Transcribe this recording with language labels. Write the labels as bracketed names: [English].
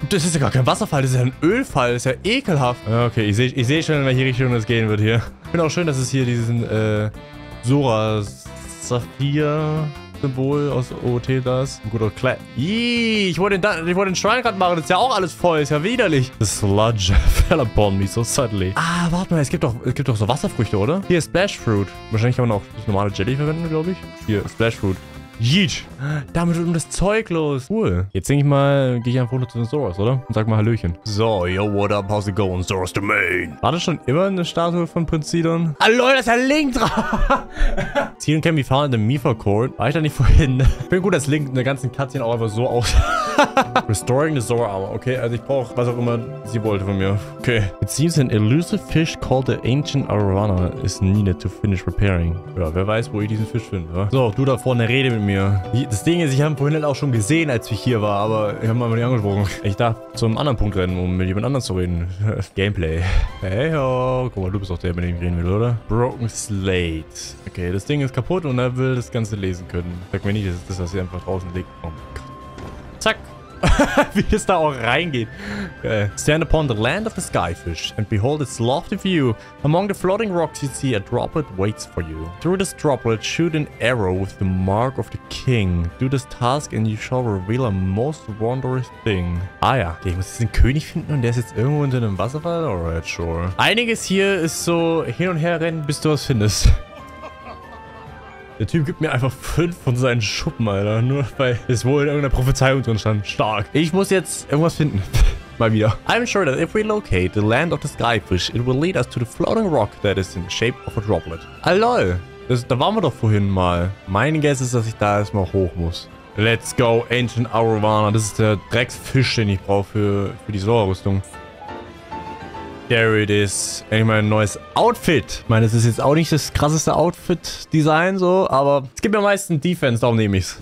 [German] Das ist ja gar kein Wasserfall, das ist ja ein Ölfall, das ist ja ekelhaft. Okay, ich seh schon, in welche Richtung es gehen wird hier. Ich finde auch schön, dass es hier diesen Sora Saphir Symbol aus OOT da ist. Ein guter Clap. Ich wollte den Schrein gerade machen. Das ist ja auch alles voll. Das ist ja widerlich. [English] The Sludge fell upon me so suddenly. [German] Ah, warte mal. Es gibt doch so Wasserfrüchte, oder? Hier ist Splash Fruit. Wahrscheinlich kann man auch das normale Jelly verwenden, glaube ich. Hier, Splash Fruit. Yeet. Damit wird das Zeug los. Cool. Jetzt denke ich mal, gehe ich einfach runter zu den Zoras, oder? Und sag mal Hallöchen. [English] So, yo, what up? How's it going? Zoras Domain. [German] War das schon immer eine Statue von Prinz Zidon? Hallo, da ist ein Link drauf. [English] Zidon can be found in the Mifa Court. [German] War ich da nicht vorhin? Ich finde gut, dass Link eine ganzen Cutscene auch einfach so aus. [English] Restoring the Zora Armor. [German] Okay, also ich brauche, was auch immer sie wollte von mir. Okay. [English] It seems an elusive fish called the Ancient Arowana is needed to finish repairing. [German] Ja, wer weiß, wo ich diesen Fisch finde, oder? So, du da vorne, rede mit mir. Das Ding ist, ich habe ihn vorhin halt auch schon gesehen, als ich hier war, aber ich habe mal nicht angesprochen. Ich darf zu einem anderen Punkt rennen, um mit jemand anderem zu reden. Gameplay. Hey, ho. Guck mal, du bist auch der, mit dem ich reden will, oder? Broken Slate. Okay, das Ding ist kaputt und er will das Ganze lesen können. Sag mir nicht, dass das, was hier einfach draußen liegt. Oh mein Gott. Zack. Wie es da auch reingeht. Okay. [English] Stand upon the land of the skyfish and behold its lofty view. Among the floating rocks you see a droplet waits for you. Through this droplet shoot an arrow with the mark of the king. Do this task and you shall reveal a most wondrous thing. Ah ja. [German] Okay, ich muss jetzt den König finden und der ist jetzt irgendwo unter einem Wasserfall? [English] Alright, sure. [German] Einiges hier ist so hin und her rennen, bis du was findest. Der Typ gibt mir einfach 5 von seinen Schuppen, Alter. Nur weil es wohl in irgendeiner Prophezeiung drin stand. Stark. Ich muss jetzt irgendwas finden. Mal wieder. [English] I'm sure that if we locate the land of the skyfish, it will lead us to the floating rock that is in the shape of a droplet. Ah, lol. [German] Da waren wir doch vorhin mal. Mein Guess ist, dass ich da erstmal hoch muss. [English] Let's go, Ancient Arowana. [German] Das ist der Drecksfisch, den ich brauche für die Sora-Rüstung. [English] There it is. [German] Endlich mal ein neues Outfit. Ich meine, es ist jetzt auch nicht das krasseste Outfit-Design so, aber es gibt mir am meisten Defense, darum nehme ich es.